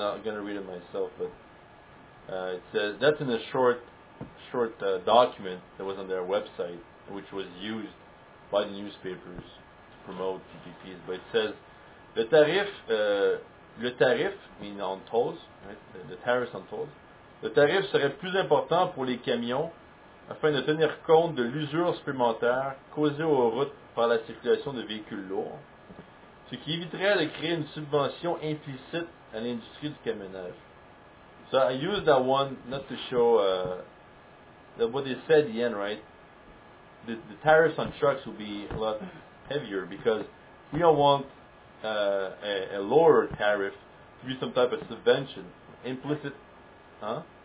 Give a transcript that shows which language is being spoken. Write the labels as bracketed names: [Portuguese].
[English] I'm going to read it myself, but it says that's in a short document that was on their website, which was used by the newspapers to promote PPPs. But it says le tarif, meaning on tolls, right? The tariffs on tolls. [French] Le tarif serait plus important pour les camions afin de tenir compte de l'usure supplémentaire causée aux routes par la circulation de véhicules lourds. Ce qui éviterait de créer une subvention implicite à l'industrie du camionnage. [English] So I use that one not to show that what they said at the end, right? The tariffs on trucks will be a lot heavier because we don't want a lower tariff to be some type of subvention. Implicit, huh?